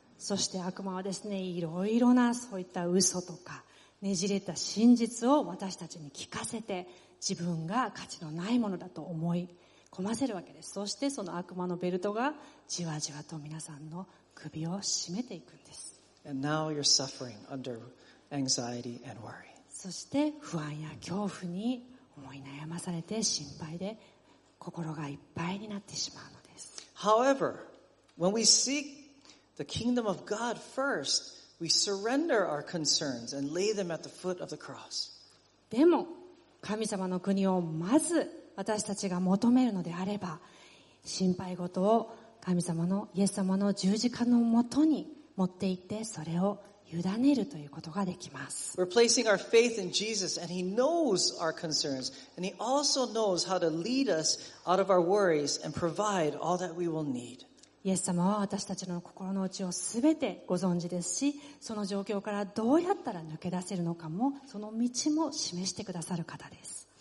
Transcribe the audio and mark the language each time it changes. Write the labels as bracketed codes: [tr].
[ja] そして悪魔はですね、いろいろなそういった嘘とかねじれた真実を私たちに聞かせて、自分が価値のないものだと思い込ませるわけです。そしてその悪魔のベルトがじわじわと皆さんの首を絞めていくんです。 [en] And now you're suffering under anxiety and worry. [ja] そして不安や恐怖に思い悩まされて心配で心がいっぱいになってしまうのです。 [en] However,When we seek the kingdom of God first, we surrender our concerns and lay them at the foot of the cross. [ja] でも、神様の国をまず私たちが求めるのであれば、心配事を神様の、イエス様の十字架のもとに持っていって、それを委ねるということができます。 [en] We're placing our faith in Jesus, and He knows our concerns, and He also knows how to lead us out of our worries and provide all that we will need. [ja] イエス様は私たちの心の内をすべてご存知ですし、その状況からどうやったら抜け出せるのかも、その道も示してくださる方です。